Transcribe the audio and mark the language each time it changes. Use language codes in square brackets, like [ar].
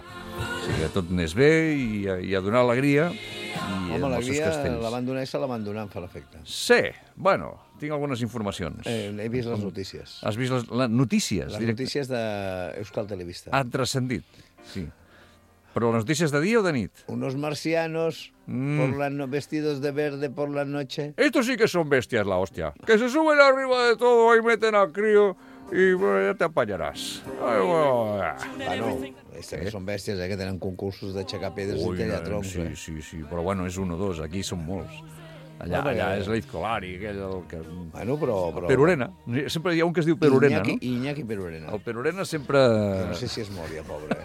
[ca] O sigui, tot anés bé i a donar alegria. I home, alegria, la van donar en fa l'efecte. Sí, bueno... Tinc algunes informacions. He vist les notícies. Has vist les notícies? Les notícies d'Euskal Televista. Ha transcendit, sí. Però les notícies de dia o de nit? [es] Unos marcianos vestidos de verde por la noche. Estos sí que son bestias, la hostia. Que se suben arriba de todo y meten al crío y bueno, ya te apañarás. Ay, bueno. [ca] Estes que són bèsties, que tenen concursos d'aixecar pedres i tallar troncs. Sí. Però bueno, és un o dos, aquí són molts. Allà és l'Eizcolari, aquell... Bueno, però... Perurena. Sempre hi ha un que es diu Perurena, Iñaki, no? Iñaki Perurena. El Perurena sempre... No sé si és molt, ja, pobre.